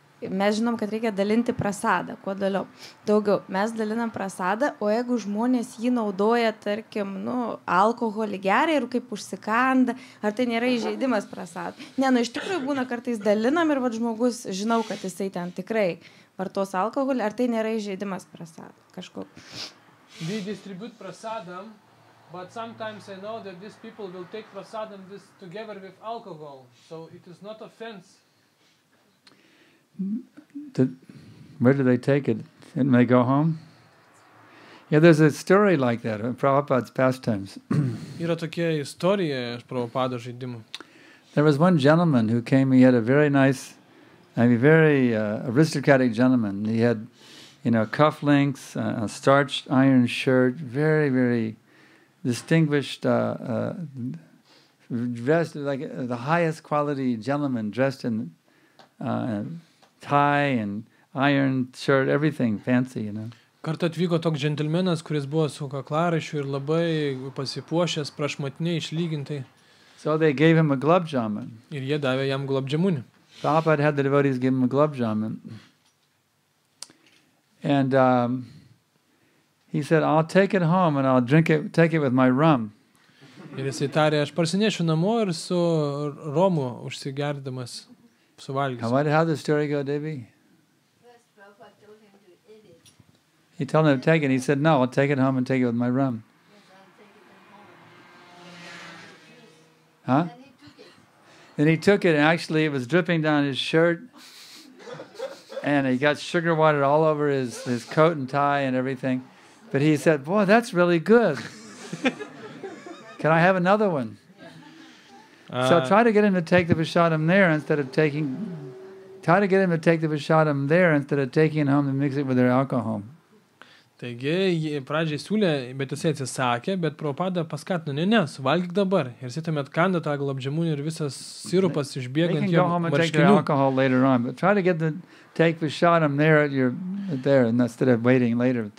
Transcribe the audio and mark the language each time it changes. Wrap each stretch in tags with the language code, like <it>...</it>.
<lt>Mes žinom, kad reikia dalinti prasadą, kuo daliau. Daugiau, mes dalinam prasadą, o jeigu žmonės jį naudoja, tarkim, nu, alkoholį geria ir kaip užsikanda, ar tai nėra įžeidimas prasadą? Ne, nu, iš tikrųjų būna kartais dalinam ir vat žmogus, žinau, kad jisai ten tikrai vartos alkoholį, ar tai nėra įžeidimas prasadą? Kažkur.</lt> <en>We distribute prasadam, but sometimes I know that these people will take prasadam this together with alcohol, so it is not offense. Where do they take it? And they go home? Yeah, there's a story like that in Prabhupada's pastimes.</en> <lt>Yra tokia istorija iš Prabhupada žaidimų.</lt> <en>There was one gentleman who came, he had a very nice, I mean, very aristocratic gentleman. He had, you know, cufflinks, a starched iron shirt, very, very distinguished, dressed like the highest quality gentleman dressed in tie and iron shirt, everything fancy, you know.</en> <lt>Kartą atvyko toks džentelmenas, kuris buvo su kaklaraiščiu ir labai pasipuošęs, prašmatniai išlygintai.</lt> <en>So they gave him a glob jamun.</en> <lt>Ir jie davė jam glob jamunį.</lt> <en>Prabhupada had the devotees give him a glob jamun. And he said, I'll take it home and I'll drink it, take it with my rum.</en> <lt>Ir jisai tarė, aš parsinešiu namo ir su romu užsigerdamas.</lt> <en>How the story go, Devi? He told him to take it. He said, no, I'll take it home and take it with my rum. Huh? Then he took it and actually it was dripping down his shirt and he got sugar water all over his coat and tie and everything. But he said, boy, that's really good. Can I have another one? So try to get him to take the prasadam there instead of taking. Try to get him to take the prasadam there instead of taking it home and mix it with their alcohol.</en> <lt>Taigi, pradžiai siūlė, bet jis atsisakė, bet Prabhupada paskatino, ne, suvalgyk dabar. Ir jis tuomet kanda tą glabžemūnį ir visas sirupas išbėga ant jo marškinių.</lt>